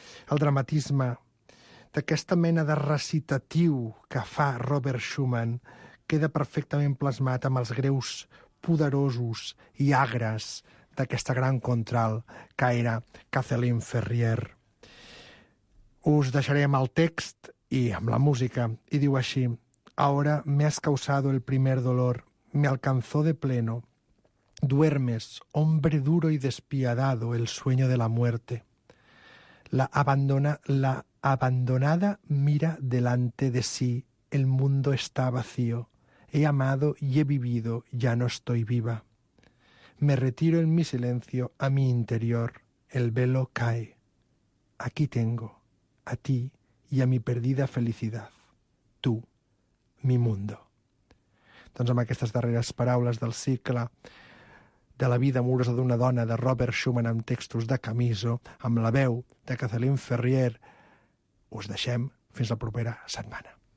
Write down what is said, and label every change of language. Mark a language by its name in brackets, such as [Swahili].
[Catalan] El dramatisme d'aquesta mena de recitatiu que fa Robert Schumann queda perfectament plasmat amb els greus poderosos i agres d'aquesta gran contralt que era Kathleen Ferrier. Us deixaré amb el text i amb la música, i diu així: [Spanish] Ahora me has causado el primer dolor, me alcanzó de pleno. Duermes, hombre duro y despiadado, el sueño de la muerte. La abandonada mira delante de sí, el mundo está vacío. He amado y he vivido, ya no estoy viva. Me retiro en mi silencio a mi interior, el velo cae. Aquí tengo a ti y a mi perdida felicidad, tú, mi mundo. [Catalan] Doncs amb aquestes darreres paraules del cicle de la vida amorosa d'una dona de Robert Schumann amb textos de Camiso, amb la veu de Kathleen Ferrier, us deixem fins la propera setmana.